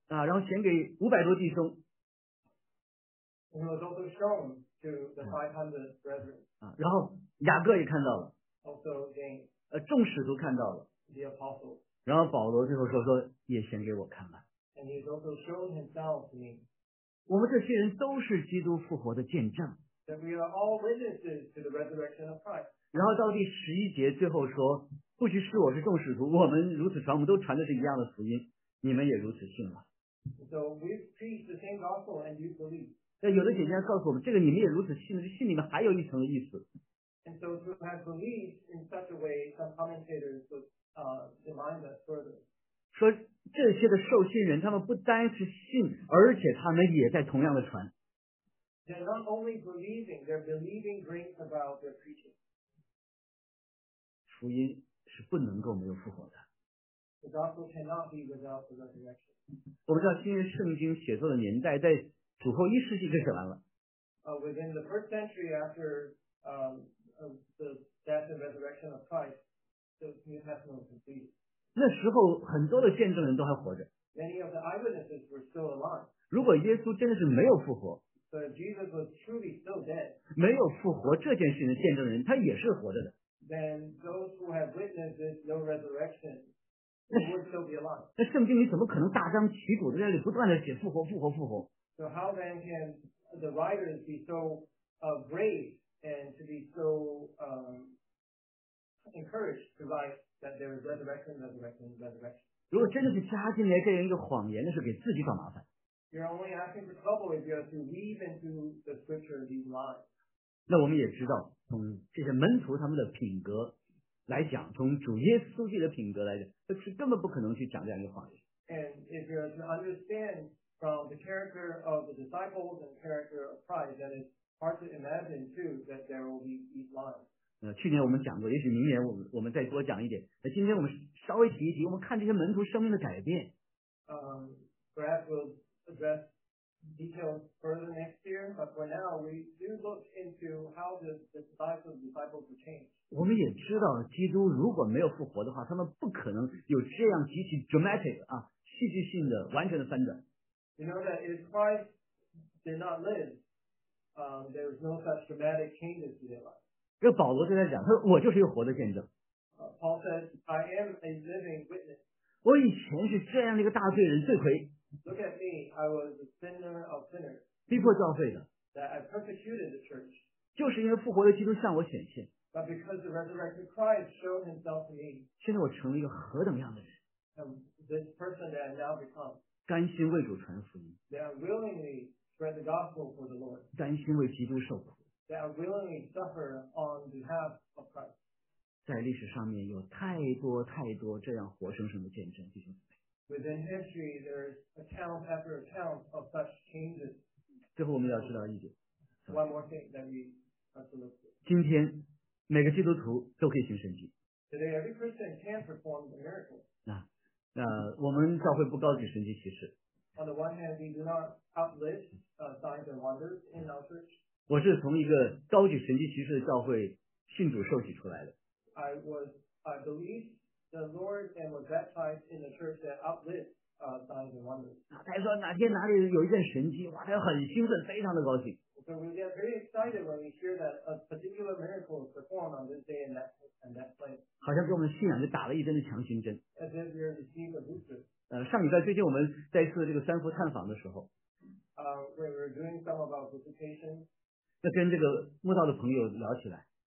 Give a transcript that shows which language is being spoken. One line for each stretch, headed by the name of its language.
Chinese: 啊，然后显给五百多弟兄。
English: And it was also shown to the 500 brethren.
Chinese: 啊，然后雅各也看到了。
English: Also James.
Chinese: 众使徒看到了。
English: The apostles.
Chinese: 然后保罗最后说也显给我看吧。
English: And he's also shown himself to me.
Chinese: 我们这些人都是基督复活的见证。
English: That we are all witnesses to the resurrection of Christ.
Chinese: 然后到第十一节最后说，不许是我是众使徒，我们如此传，我们都传的是一样的福音，你们也如此信了。
English: So we preach the same gospel and you believe.
Chinese: 但有的姐姐告诉我们，这个你们也如此信，这信里面还有一层的意思。
English: And so to have believed in such a way, some commentators would remind us further.
Chinese: 说这些的受信人，他们不单是信，而且他们也在同样的传。
English: They're not only believing, they're believing great about their preaching.
Chinese: 福音是不能够没有复活的。
English: The gospel cannot be without the resurrection.
Chinese: 我们知道新约圣经写作的年代在主后一世纪就写完了。
English: Within the first century after the death and resurrection of Christ, the New Testament was completed.
Chinese: 那时候很多的见证人都还活着。
English: Many of the eyewitnesses were still alive.
Chinese: 如果耶稣真的是没有复活。
English: So if Jesus was truly still dead.
Chinese: 没有复活这件事情的见证人，他也是活着的。
English: Then those who have witnessed this no resurrection would still be alive.
Chinese: 那圣经里怎么可能大张旗鼓的在那里不断的写复活复活复活？
English: So how then can the writers be so brave and to be so encouraged to write that there is resurrection, resurrection, resurrection?
Chinese: 如果真的是加进来这样一个谎言，那是给自己找麻烦。
English: You're only asking for trouble if you are to weave into the scripture these lies.
Chinese: 那我们也知道，从这些门徒他们的品格来讲，从主耶稣基督的品格来讲，他是根本不可能去讲这样一个谎言。
English: And if you're to understand from the character of the disciples and character of Christ, then it's hard to imagine too that there will be these lies.
Chinese: 去年我们讲过，也许明年我们再多讲一点。那今天我们稍微提一提，我们看这些门徒生命的改变。
English: Perhaps we'll address. Details further next year, but for now we do look into how the disciples will change.
Chinese: 我们也知道，基督如果没有复活的话，他们不可能有这样极其 dramatic 啊戏剧性的完全的翻转。
English: You know that if Christ did not live, there is no such dramatic changes to their life.
Chinese: 这保罗正在讲，他说我就是一个活的见证。
English: Paul says, "I am a living witness."
Chinese: 我以前是这样的一个大罪人，罪魁。
English: Look at me, I was a sinner of sinners.
Chinese: 逼迫教会的。
English: That I persecuted the church.
Chinese: 就是因为复活的基督向我显现。
English: But because the resurrected Christ showed himself to me.
Chinese: 现在我成了一个何等样的人。
English: This person that I now become.
Chinese: 甘心为主传福音。
English: That I willingly spread the gospel for the Lord.
Chinese: 甘心为基督受苦。
English: That I willingly suffer on behalf of Christ.
Chinese: 在历史上面有太多太多这样活生生的见证，弟兄姊妹。
English: Within history, there's account after account of such changes.
Chinese: 最后我们要知道一点。
English: One more thing that we have to look at.
Chinese: 今天每个基督徒都可以行神迹。
English: Today, every Christian can perform the miracle.
Chinese: 我们教会不高举神迹奇事。
English: On the one hand, we do not uplift signs and wonders in our church.
Chinese: 我是从一个高举神迹奇事的教会信主受洗出来的。
English: I believe. The Lord and was baptized in the church that uplifts signs and wonders.
Chinese: 他说哪天哪里有一件神迹，哇，他很兴奋，非常的高兴。
English: So we get very excited when we hear that a particular miracle is performed on this day and that place.
Chinese: 好像给我们信仰就打了一针的强心针。
English: As if we receive a booster.
Chinese: 上礼拜最近我们在一次这个三福探访的时候。
English: We were doing some of our visitation.
Chinese: 在跟这个慕道的朋友聊起来。